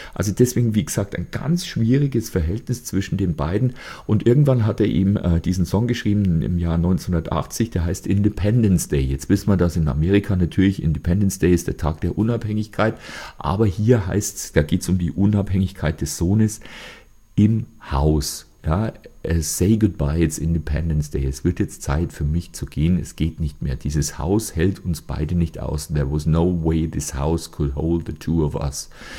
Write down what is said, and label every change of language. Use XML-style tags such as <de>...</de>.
<de>Also deswegen, wie gesagt, ein ganz schwieriges Verhältnis zwischen den beiden. Und irgendwann hat er ihm diesen Song geschrieben im Jahr 1980, der heißt Independence Day. Jetzt wissen wir, dass in Amerika natürlich Independence Day ist der Tag der Unabhängigkeit, aber hier heißt es, da geht es um die Unabhängigkeit des Sohnes im Haus.</de> <en>Ja, say goodbye, it's Independence Day.</en> <de>Es wird jetzt Zeit für mich zu gehen, es geht nicht mehr. Dieses Haus hält uns beide nicht aus.</de> <en>There was no way this house could hold the two of us.</en>